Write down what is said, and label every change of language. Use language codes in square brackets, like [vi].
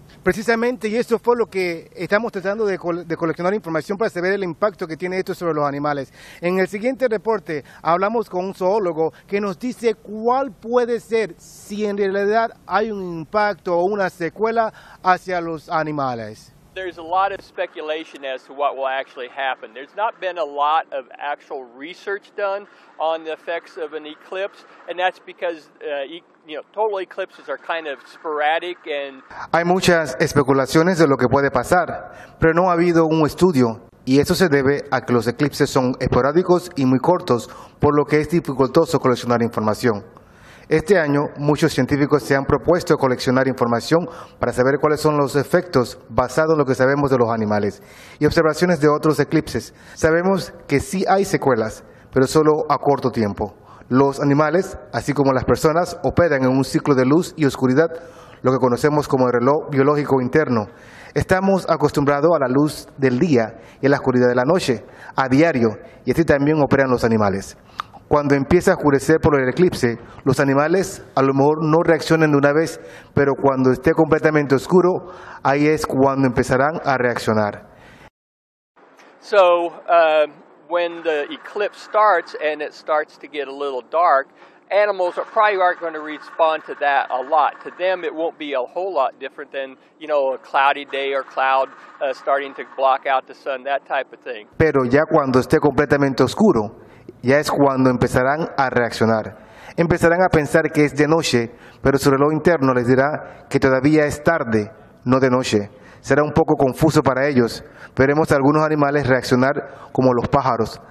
[es] Precisamente, y eso fue lo que estamos tratando de coleccionar información para saber el impacto que tiene esto sobre los animales. En el siguiente reporte hablamos con un zoólogo que nos dice cuál puede ser si en realidad hay un impacto o una secuela hacia los animales. [en] There's a lot of speculation as to what will actually happen. There's not been a lot of actual research done on the effects of an eclipse, and that's because total eclipses are kind of sporadic and. [es] Hay muchas especulaciones de lo que puede pasar, pero no ha habido un estudio, y eso se debe a que los eclipses son esporádicos y muy cortos, por lo que es dificultoso coleccionar información. Este año, muchos científicos se han propuesto coleccionar información para saber cuáles son los efectos basados en lo que sabemos de los animales y observaciones de otros eclipses. Sabemos que sí hay secuelas, pero solo a corto tiempo. Los animales, así como las personas, operan en un ciclo de luz y oscuridad, lo que conocemos como el reloj biológico interno. Estamos acostumbrados a la luz del día y a la oscuridad de la noche, a diario, y así también operan los animales. Cuando empieza a oscurecer por el eclipse, los animales a lo mejor no reaccionan de una vez, pero cuando esté completamente oscuro, ahí es cuando empezarán a reaccionar. [en] So, when the eclipse starts and it starts to get a little dark, animals probably aren't going to respond to that a lot. To them, it won't be a whole lot different than, you know, a cloudy day or cloud starting to block out the sun, that type of thing. [es] Pero ya cuando esté completamente oscuro, ya es cuando empezarán a reaccionar. Empezarán a pensar que es de noche, pero su reloj interno les dirá que todavía es tarde, no de noche. Será un poco confuso para ellos. Veremos a algunos animales reaccionar como los pájaros.